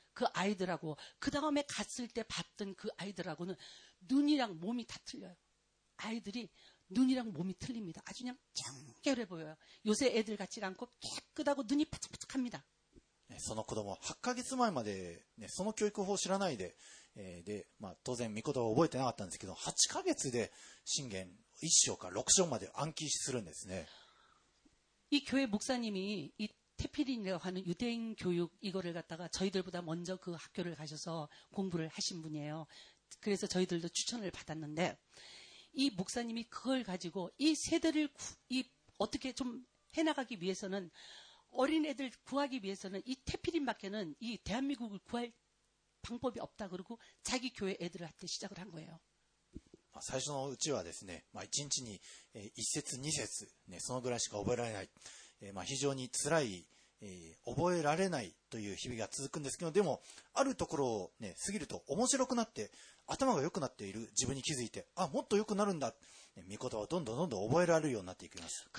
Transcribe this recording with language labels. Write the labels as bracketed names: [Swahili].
[Korean] 그 아이들하고 그 다음에 갔을 때 봤던 그 아이들하고는 눈이랑 몸이 다 틀려요. 아이들이 눈이랑 몸이 틀립니다. 아주 그냥 청결해 보여요. 요새 애들 같지 않고 깨끗하고 눈이 바짝바짝합니다. 그 아이들은 [Japanese] 8ヶ月前までその教育法を知らないで、で、まあ、当然御言葉を覚えてなかったんですけど、8ヶ月で箴言1章から6章まで暗記するんですね。 [Korean] 이 교회 목사님이 이 테필린이라고 하는 유대인 교육 이거를 갖다가 저희들보다 먼저 그 학교를 가셔서 공부를 하신 분이에요. 그래서 저희들도 추천을 받았는데 이 목사님이 그걸 가지고 이 세대를 이 어떻게 좀 해나가기 위해서는 어린애들 구하기 위해서는 이 테필린밖에는 이 대한민국을 구할 방법이 없다 그러고 자기 교회 애들한테 시작을 한 거예요. [Japanese] 最初のうちはですね、まあ、1日に1節2節、ね、そのぐらいしか覚えられない、まあ、非常につらい、覚えられないという日々が続くんですけど、でもあるところを、ね、過ぎると面白くなって頭が良くなっている自分に気づいて、あ、もっと良くなるんだ、ね、見事はどんどんどんどん覚えられるようになっていきます。